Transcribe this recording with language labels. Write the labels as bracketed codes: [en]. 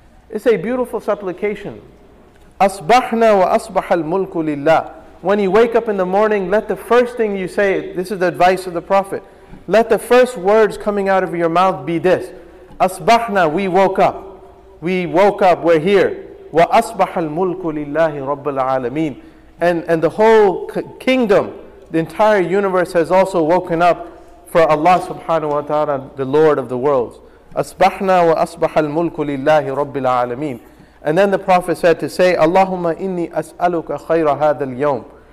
[en] It's a beautiful supplication. [ar] أصبحنا وأصبح الملك لله. [en] When you wake up in the morning, let the first thing you say, this is the advice of the Prophet, let the first words coming out of your mouth be this. [ar] أصبحنا, [en] we woke up, we're here. [ar] وأصبح الملك لله رب العالمين. [en] And the whole kingdom, the entire universe has also woken up for Allah subhanahu wa ta'ala, the Lord of the worlds. [ar] Asbahna wa asbaha al-mulku lillahi rabbil alameen. [en] And then the Prophet said to say, [ar] Allahumma inni as'aluka khayra hadha al-yawm.